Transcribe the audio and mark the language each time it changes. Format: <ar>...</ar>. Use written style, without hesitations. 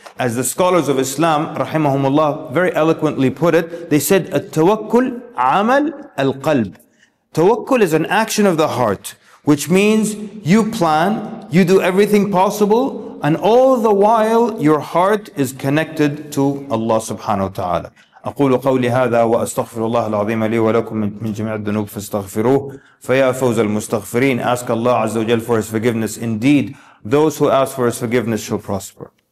<en>As the scholars of Islam, rahimahumullah, very eloquently put it, they said, at-tawakkul amal al-qalb. Tawakkul is an action of the heart, which means you plan, you do everything possible, and all the while your heart is connected to Allah subhanahu wa ta'ala.</en> <ar>أقول قولي هذا وأستغفر الله العظيم لي ولكم من جميع الذنوب فاستغفروه فيا فوز المستغفرين.</ar> <en>Ask Allah عز وجل for His forgiveness. Indeed, those who ask for His forgiveness shall prosper.</en>